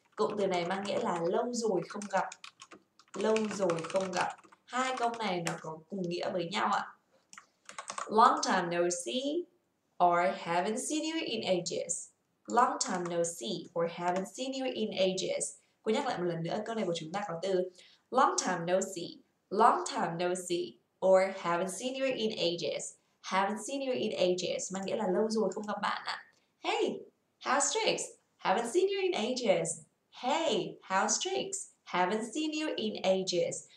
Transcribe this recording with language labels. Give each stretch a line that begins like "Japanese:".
Vietnamese: Cụm từ này mang nghĩa là lâu rồi không gặp. Hai câu này nó có cùng nghĩa với nhau ạ.
English: Long time no see or haven't seen you in ages. Long time no see or haven't seen you in ages.
Vietnamese: Cô nhắc lại một lần nữa, câu này của chúng ta có từ Long time no see or haven't seen you in ages. Haven't seen you in ages mang nghĩa là lâu rồi không gặp bạn ạ.
English: Hey, how's tricks? Haven't seen you in ages. Hey, house tricks. Haven't seen you in ages.